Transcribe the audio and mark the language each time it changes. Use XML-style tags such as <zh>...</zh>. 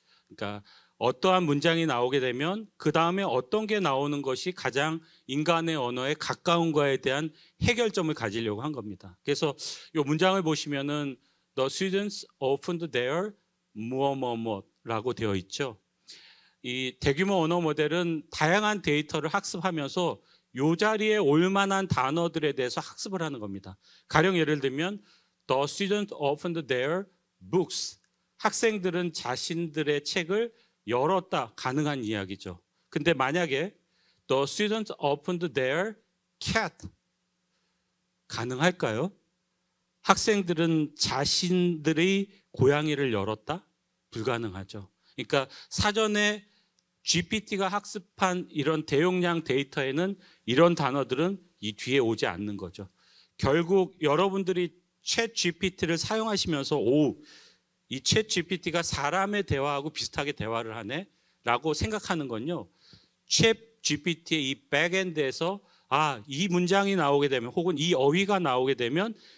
<ko>그러니까 어떠한 문장이 나오게 되면 그 다음에 어떤 게 나오는 것이 가장 인간의 언어에 가까운가에 대한 해결점을 가지려고 한 겁니다. 그래서 이 문장을 보시면은</ko> <en>The students opened their</en> <ko>뭐뭐뭐라고 되어 있죠. 이 대규모 언어 모델은 다양한 데이터를 학습하면서 이 자리에 올 만한 단어들에 대해서 학습을 하는 겁니다.</ko> <en>가령 예를 들면 The students opened their books.</en> <ko>학생들은 자신들의 책을 열었다. 가능한 이야기죠. 근데 만약에</ko> <en>The students opened their cat.</en> <ko>가능할까요? 학생들은 자신들의 고양이를 열었다? 불가능하죠. 그러니까 사전에 GPT가 학습한 이런 대용량 데이터에는 이런 단어들은 이 뒤에 오지 않는 거죠. 결국 여러분들이 ChatGPT를 사용하시면서 오, 이 ChatGPT가 사람의 대화하고 비슷하게 대화를 하네 라고 생각하는 건요, ChatGPT의 이 백엔드에서 아, 이 문장이 나오게 되면 혹은 이 어휘가 나오게 되면</ko>